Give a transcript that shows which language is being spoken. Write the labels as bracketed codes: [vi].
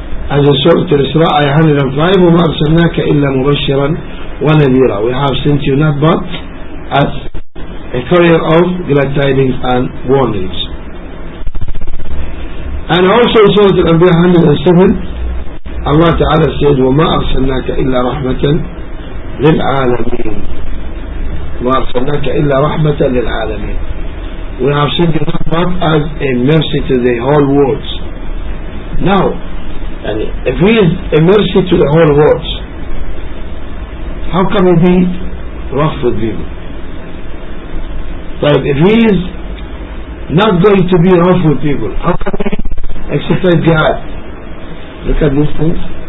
[ar] هذا سورة الإسراء آية 105 وما أرسلناك إلا مبشرا ونذيرا. [en] We have sent you not but as a carrier of glad tidings and warnings. And also in [ar] سورة الأنبياء 107 الله تعالى said وما أرسلناك إلا رحمة للعالمين. ما أرسلناك إلا رحمة للعالمين. [en] We have sent you not but as a mercy to the whole world. Now, and if he is a mercy to the whole world, how can we be rough with him? But if he is not going to be rough with people, how can we exercise jihad? Look at these things.